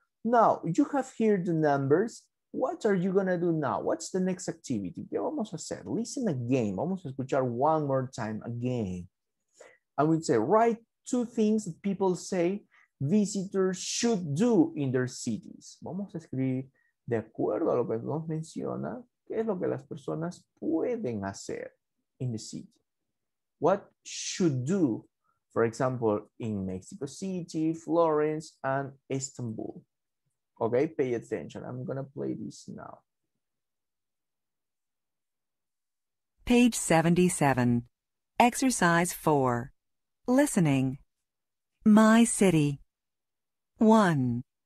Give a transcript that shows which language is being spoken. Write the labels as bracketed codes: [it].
[en] Now you have here the numbers. What are you gonna do now? What's the next activity? [es] ¿Qué vamos a hacer? [en] Listen again. [es] Vamos a escuchar [en] one more time again. I would say write two things that people say visitors should do in their cities. [es] Vamos a escribir de acuerdo a lo que nos menciona. ¿Qué es lo que las personas pueden hacer [en] in the city? What should do, for example, in Mexico City, Florence, and Istanbul? Okay, pay attention. I'm going to play this now. Page 77, Exercise 4. Listening. My city. 1.